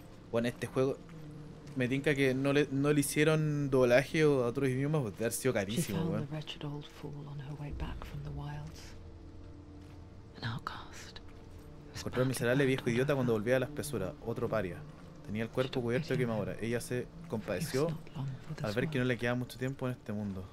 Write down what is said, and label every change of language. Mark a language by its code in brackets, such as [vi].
[es] Bueno, este juego me tinca que no le hicieron doblaje o a otros idiomas, pues debe haber sido carísimo, weón. [en] The wretched old fool on her way back from the wilds. An outcast. [es] Encontró al miserable viejo idiota cuando volvía a la espesura. Otro paria. Tenía el cuerpo cubierto de quemadura. Ella se compadeció al ver que no le quedaba mucho tiempo en este mundo.